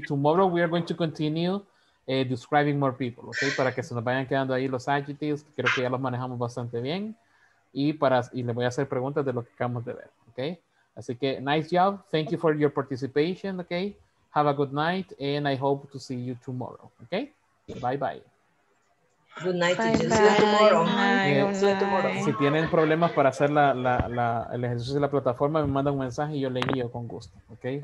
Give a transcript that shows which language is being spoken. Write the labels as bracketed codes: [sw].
[en] Tomorrow we are going to continue describing more people, okay? [es] Para que se nos vayan quedando ahí los adjectives, que creo que ya los manejamos bastante bien. Y le voy a hacer preguntas de lo que acabamos de ver, okay? Así que, [en] nice job. Thank you for your participation, okay? Have a good night, and I hope to see you tomorrow, okay? Bye-bye. Good night, teachers. See you tomorrow. Bye. Bye. [es] Si tienen problemas para hacer el ejercicio de la plataforma, me mandan un mensaje y yo le guío con gusto, okay?